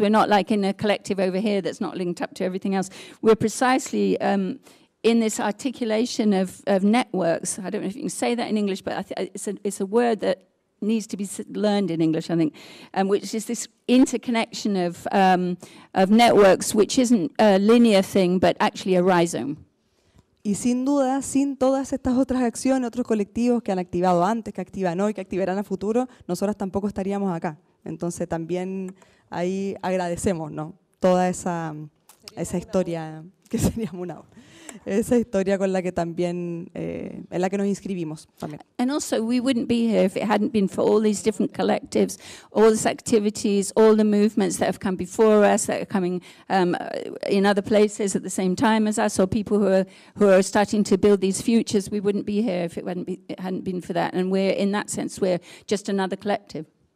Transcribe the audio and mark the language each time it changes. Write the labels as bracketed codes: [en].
[en] We're not like in a collective over here that's not linked up to everything else. We're precisely in this articulation of networks. I don't know if you can say that in English, but it's a word that needs to be learned in English, I think, which is this interconnection of networks, which isn't a linear thing, but actually a rhizome. [es] Y sin duda, sin todas estas otras acciones, otros colectivos que han activado antes, que activan hoy, que activarán a futuro, nosotras tampoco estaríamos acá. Entonces también ahí agradecemos, ¿no? Toda esa historia, que sería una hora. Esa historia con la que también en la que nos inscribimos también. [en] And also we wouldn't be here if it hadn't been for all these different collectives, all these activities, all the movements that have come before us, that are coming in other places at the same time as us, or people who are starting to build these futures. We wouldn't be here if it hadn't been for that, and we're in that sense we're just another collective.